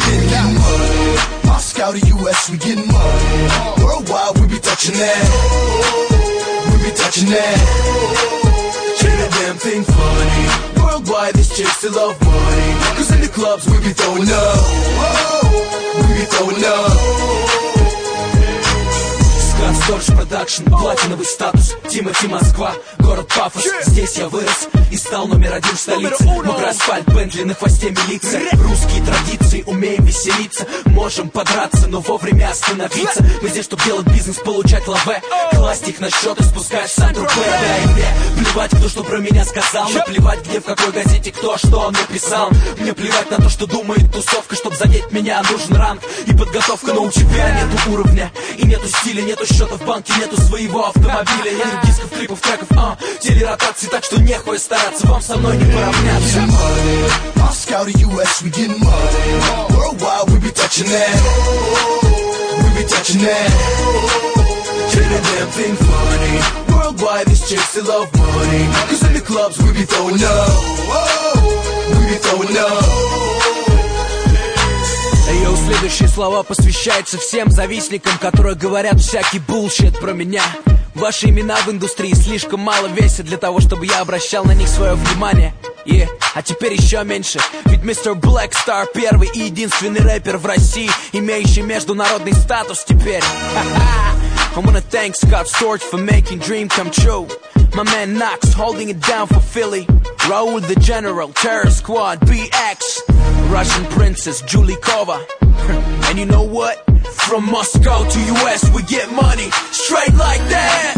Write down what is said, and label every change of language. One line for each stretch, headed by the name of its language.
English: We getting money. Moscow to US, we getting money. Worldwide, we be touching that. We be touching that. Chain a damn thing funny. Worldwide, this chick still love money. Cause in the clubs, we be throwing up. We be throwing up.
Russian: Storch Production, платиновый статус, Тимати, Москва, город Пафос. Здесь я вырос и стал номер один в столице. Мокрый асфальт, Бентли на хвосте милиция. Русские традиции, умеем веселиться. Можем подраться, но вовремя остановиться. Мы здесь, чтоб делать бизнес, получать лаве. Класть их на счет и спускать Сан-Тропе. Да и мне плевать, кто что про меня сказал. Мне плевать, где, в какой газете, кто что написал. Мне плевать на то, что думает тусовка. Чтоб задеть меня, нужен ранг и подготовка. Но у тебя нету уровня и нету стиля, нету счета в банке, нету своего автомобиля. Нет дисков, клипов, треков, телеротации. Так что нехуя стараться, вам со мной не поравняться.
English: We getting money. Moscow to US, we getting money. Worldwide, we be touching that. We be touching that. Chain a damn thing funny. Worldwide, this chick still love money. Cause in the clubs, we be throwing up. We be throwing up.
Russian: Следующие слова посвящаются всем завистникам, которые говорят всякий булшит про меня. Ваши имена в индустрии слишком мало весят для того, чтобы я обращал на них свое внимание. Yeah. А теперь еще меньше. Ведь мистер Black Star первый и единственный рэпер в России, имеющий международный статус теперь. Ха-ха.
English: I wanna thank Scott Storch for making dream come true. My man Knox holding it down for Philly. Raul the General, Terror Squad, BX, Russian Princess, Julie Kova. And you know what? From Moscow to US, we get money straight like that.